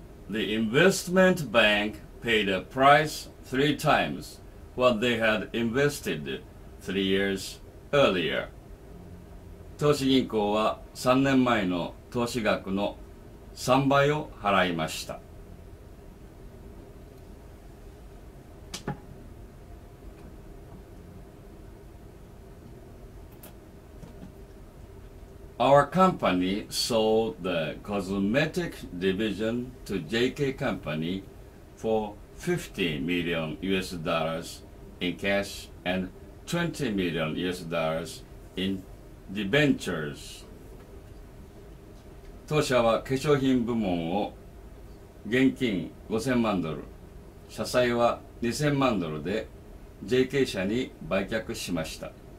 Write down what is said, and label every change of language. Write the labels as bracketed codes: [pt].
[en] The investment bank paid a price three times what they had invested 3 years earlier. [ja] 投資銀行は3年前の投資額の3倍を払いました。 [en] Our company sold the cosmetic division to JK Company for $50 million in cash and $20 million in debentures. [ja] 当社は化粧品部門を現金5000万ドル、社債は2000万ドルで JK 社に売却しました。